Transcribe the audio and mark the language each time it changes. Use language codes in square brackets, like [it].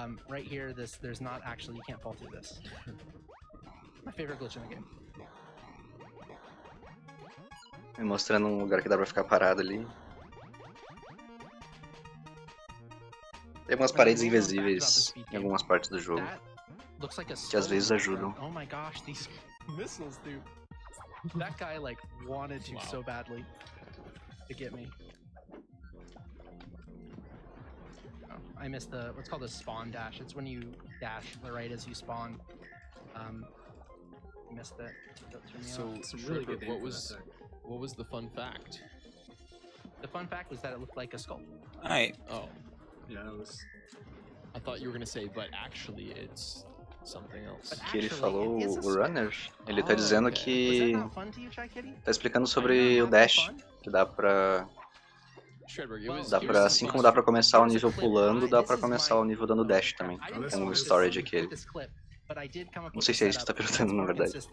[en] Right here, there's not actually, you can't fall through this. My favorite glitch in the game. [pt] Me mostrando um lugar que dá pra ficar parado ali. Tem umas paredes invisíveis em algumas partes do jogo. [en] That [pt] que às vezes ajudam. [en] Oh my gosh, these missiles, dude. That guy like wanted to so badly to get me. I missed the what's called a spawn dash. It's when you dash to the right as you spawn. Missed it. So, Shripper, what was the fun fact? The fun fact was that it looked like a skull. Aye. Oh. Yeah, it was. I thought you were gonna say, but actually, it's something else. [pt] Que ele falou o runner. Ele tá dizendo que tá explicando sobre o dash que dá pra. Dá pra, assim como dá pra começar o nível pulando, dá pra começar o nível dando dash também. Tem um storage aqui. Não sei se é isso que tá perguntando, na verdade.